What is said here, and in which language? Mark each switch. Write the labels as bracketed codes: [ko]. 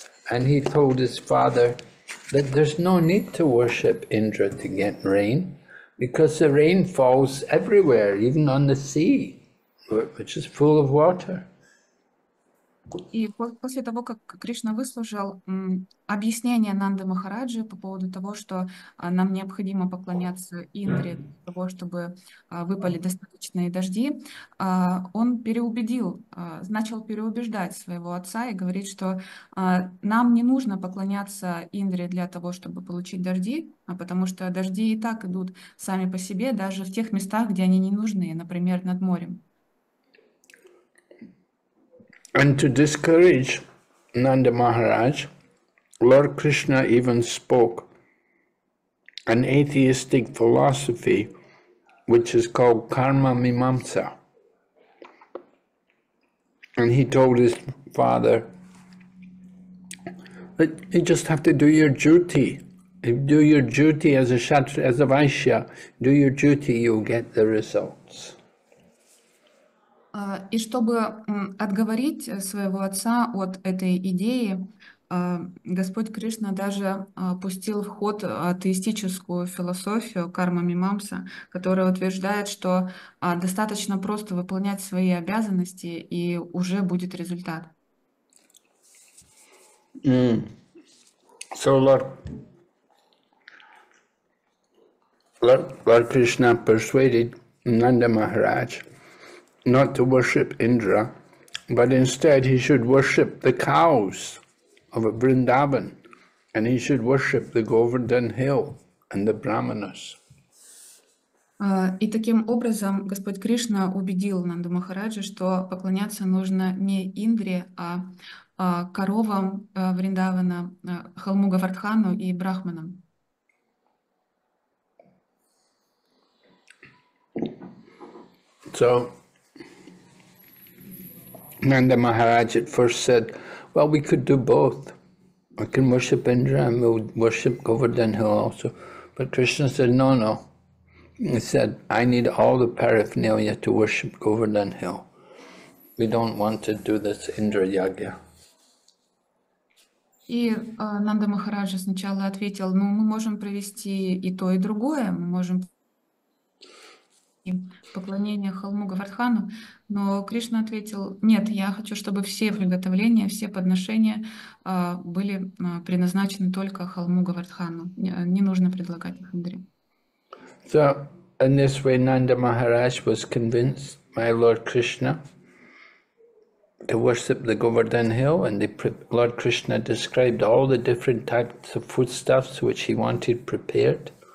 [en] And he told his father that there's no need to worship Indra to get rain, because the rain falls everywhere, even on the sea, which is full of water. [ru] И после того, как Кришна выслушал объяснение Нанды Махараджи по поводу того, что нам необходимо поклоняться Индре для того, чтобы выпали достаточные дожди, он начал переубеждать своего отца и говорит, что нам не нужно поклоняться Индре для того, чтобы получить дожди, а потому что дожди и так идут сами по себе, даже в тех местах, где они не нужны, например, над морем. [en] And to discourage Nanda Maharaj, Lord Krishna even spoke an atheistic philosophy which is called Karma Mimamsa. And he told his father that you just have to do your duty. Do your duty as a kshatriya, as a Vaishya, do your duty, you'll get the results. [ru] И чтобы отговорить своего отца от этой идеи, Господь Кришна даже пустил в ход атеистическую философию карма мимамса, которая утверждает, что достаточно просто выполнять свои обязанности, и уже будет результат. [en] So Lord Krishna persuaded Nanda Maharaj not to worship Indra, but instead he should worship the cows of Vrindavan, and he should worship the Govardhan Hill and the Brahmanas. [ru] И таким образом Господь Кришна убедил Нанду Махараджи, что поклоняться нужно не Индре, а коровам Вриндавана, холму Говардхану и Брахманам. [en] So, Nanda Maharaj at first said, well, we could do both. I can worship Indra and we'll worship Govardhan Hill also. But Krishna said, no. He said, I need all the paraphernalia to worship Govardhan Hill. We don't want to do this Indra Yagya. [ru] И Нанда Махараджа сначала ответил, ну, мы можем провести и то, и другое, мы можем поклонение холму Говардхану, но Кришна ответил, нет, я хочу, чтобы все приготовления, все подношения были предназначены только холму Говардхану, не нужно предлагать их Индре. [en] So, in this way, Nanda Maharaj was convinced by Lord Krishna to worship the Govardhan Hill, and Lord Krishna described all the different types of foodstuffs which he wanted prepared.